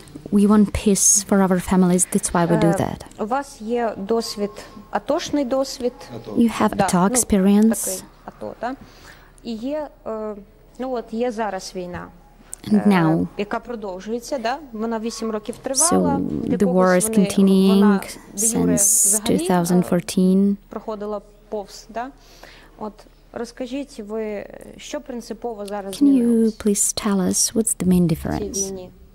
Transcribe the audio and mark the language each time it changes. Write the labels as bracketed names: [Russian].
[English] We want peace for our families, that's why we do that. [Ukrainian] У вас є досвід, атошний досвід. [English] You have ATO experience. [Ukrainian] АТО, да? І є, є зараз війна. [English] Now, [Ukrainian] яка продовжується, да? Вона 8 років тривала. [English] So the war is continuing since 2014. [Ukrainian] Проходила повз, да? От розкажіть ви, що принципово зараз змінилось? [English] Can you please tell us what's the main difference?